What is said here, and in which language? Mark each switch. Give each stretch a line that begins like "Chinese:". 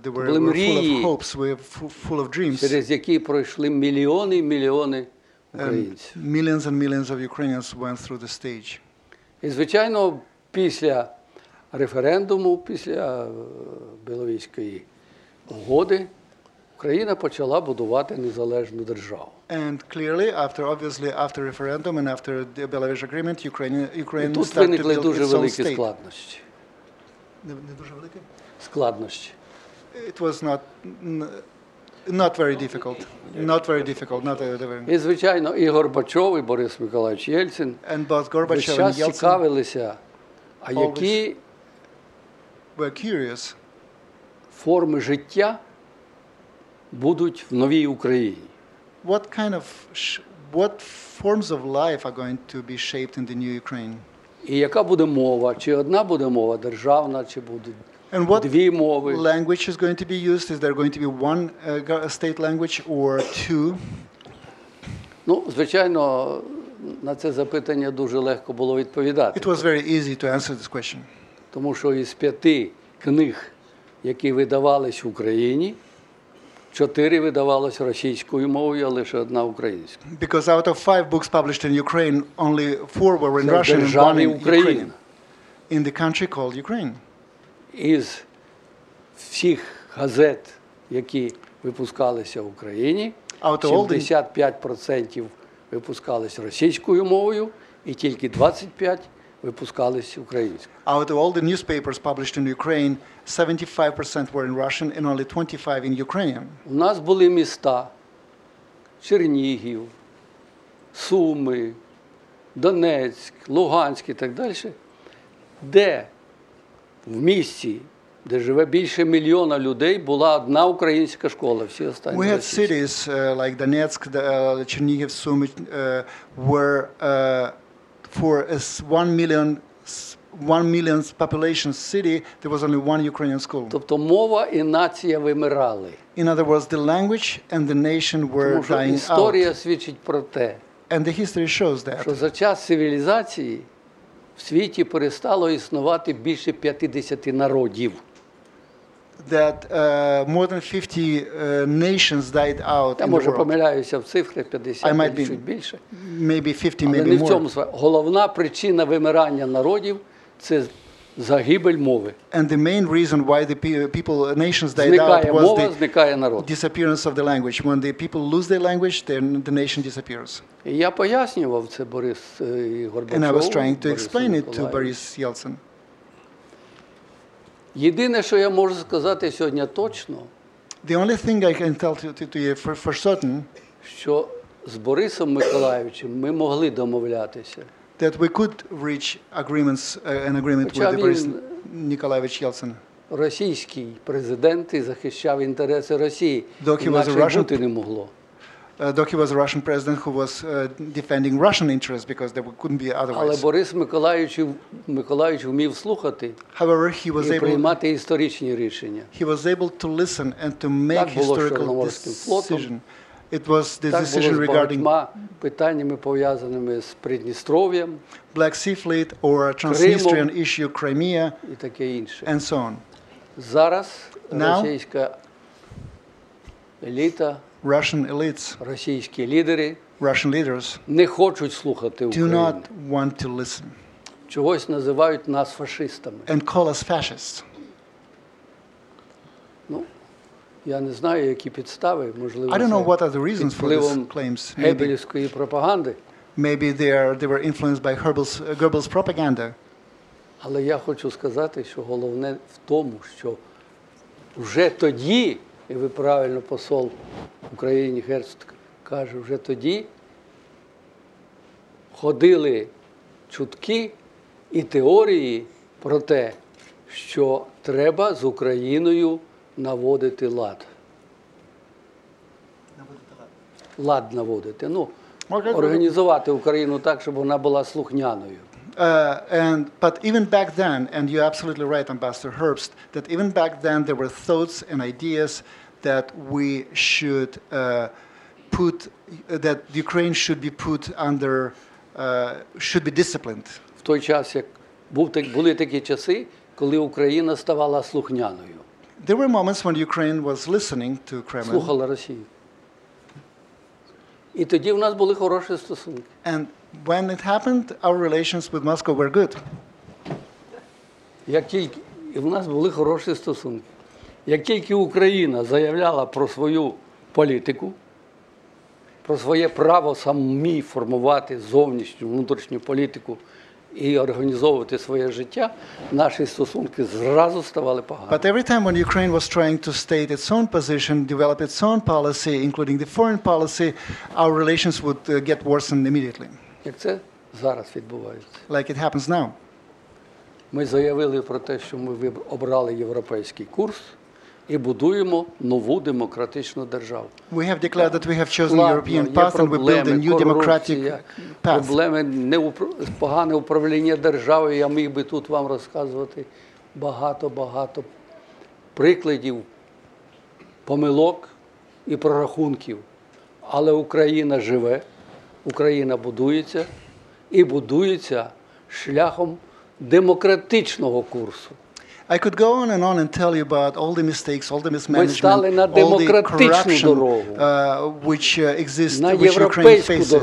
English: They were full of hopes, full of dreams.
Ukrainian: Через які пройшли мільйони і мільйони українців.
English: Millions and millions of Ukrainians went through the stage.
Ukrainian: І звичайно, після референдуму, після Біловізької угоди, Україна почала будувати незалежну державу.
English: And clearly, after referendum and after the Belarus agreement, Ukraine started to build its own state.
Ukrainian: Тут виникли дуже великі складнощі. Не дуже великі? Складнощі.
English: It was not very difficult.
Ukrainian: І, звичайно, і Горбачов, і Борис Миколаївич Єльцин весь час цікавилися, а які форми життя будуть в новій Україні.
English: What kind of what forms of life are going to be shaped in the new Ukraine?
Ukrainian: І яка буде мова? Чи одна буде мова державна, чи буде дві мови?
English: And what language is going to be used? Is there going to be one state language or two?
Ukrainian: Ну, звичайно, на це запитання дуже легко було відповідати.
English: It was very easy to answer this question.
Ukrainian: Тому що із п'яти книг, які видавались в Україні, чотири видавалось російською мовою, а лише одна українською.
English: Because out of five books published in Ukraine, only four were in Russian and one in Ukrainian. In the country called Ukraine.
Ukrainian: Із всіх газет, які випускалися в Україні, 75% випускались російською мовою і тільки 25% випускались українською.
English: Out of all the newspapers published in Ukraine, 75% were in Russian and only 25% in Ukrainian.
Ukrainian: У нас були міста Чернігів, Суми, Донецьк, Луганськ і так далі, де в місті, де живе більше мільйона людей, була одна українська школа, всі остальні російські.
English: We had cities like Donetsk, Chernihiv, Sumy, where for as 1 million population city, there was only one Ukrainian school.
Ukrainian: Тобто мова і нація вимирали.
English: In other words, the language and the nation were
Ukrainian: тому,
English: dying out.
Ukrainian: Історія свідчить про те,
English: and the history shows that.
Ukrainian: Що за час цивілізації в світі перестало існувати більше 50 народів.
English: That more than 50 nations died out.
Ukrainian: Я може помиляюся в цифрах, 50 чи чуть більше.
English: Maybe 50,
Ukrainian: але
English: maybe
Ukrainian: не
English: more.
Ukrainian: В цьому головна причина вимирання народів це загибель мови.
English: And the main reason why the people nations died
Ukrainian: зникає
English: out was
Ukrainian: мова,
English: the
Ukrainian: зникає народ.
English: Disappearance of the language. When the people lose their language, then the nation disappears.
Ukrainian: І я пояснював це Борис Горбачов.
English: And I was trying to explain it to Boris Yeltsin.
Ukrainian: Єдине, що я можу сказати сьогодні точно,
English: the only thing I can tell to you for certain,
Ukrainian: що з Борисом Миколаївичем ми могли домовлятися.
English: That we could reach agreements, an agreement with Борис Миколаївич Єльцин.
Ukrainian: Російський президент і захищав інтереси Росії, інакше бути не могло.
English: Though he was a Russian president who was defending Russian interests because there couldn't be otherwise.
Ukrainian: Але Борис Миколаївич вмів слухати.
English: However, he was able
Ukrainian: приймати історичні рішення.
English: He was able to listen and to make historical decisions. It was the
Ukrainian: так
English: decision regarding
Ukrainian: питаннями пов'язаними з Придністров'ям,
English: Black Sea Fleet or a Transnistrian
Ukrainian: Кримом,
English: issue Crimea
Ukrainian: і таке інше.
English: And so on.
Ukrainian: Зараз російська еліта,
English: Russian elites,
Ukrainian: російські лідери,
English: Russian leaders,
Ukrainian: не хочуть слухати України.
English: Do not want to listen.
Ukrainian: Чогось називають нас фашистами.
English: And call us fascists.
Ukrainian: Ну, я не знаю, які підстави, можливо,
English: I don't know what are the reasons for these claims.
Ukrainian: Геббельської пропаганди.
English: Maybe they were influenced by Goebbels' propaganda.
Ukrainian: Але я хочу сказати, що головне в тому, що вже тоді, і ви правильно, посол України Герцог каже, вже тоді ходили чутки і теорії про те, що треба з Україною наводити лад. лад наводити, ну, okay, організувати Україну так, щоб вона була слухняною.
English: But even back then, and you're absolutely right, Ambassador Herbst, that even back then there were thoughts and ideas that we should put, that Ukraine should be put under, should be disciplined.
Ukrainian: В той час, як були такі часи, коли Україна ставала слухняною.
English: There were moments when Ukraine was listening to Kremlin.
Ukrainian: Слухала Росію. І тоді в нас були хороші стосунки.
English: And when it happened, our relations with Moscow were good.
Ukrainian: Як тільки в нас були хороші стосунки. Як тільки Україна заявляла про свою політику, про своє право самі формувати зовнішню, внутрішню політику і організовувати своє життя, наші стосунки зразу ставали погані.
English: But every time when Ukraine was trying to state its own position, develop its own policy, including the foreign policy, our relations would get worsened immediately.
Ukrainian: Як це зараз відбувається?
English: Like it happens now.
Ukrainian: Ми заявили про те, що ми обрали європейський курс і будуємо нову демократичну державу.
English: We have declared that we have chosen the European path and we build a new democratic path.
Ukrainian: Проблеми не погане управління державою, я міг би тут вам розказувати багато-багато прикладів помилок і прорахунків. Але Україна живе, Україна будується і будується шляхом демократичного курсу.
English: I could go on and tell you about all the mistakes, all the mismanagement, all the corruption which exists, which Ukraine faces.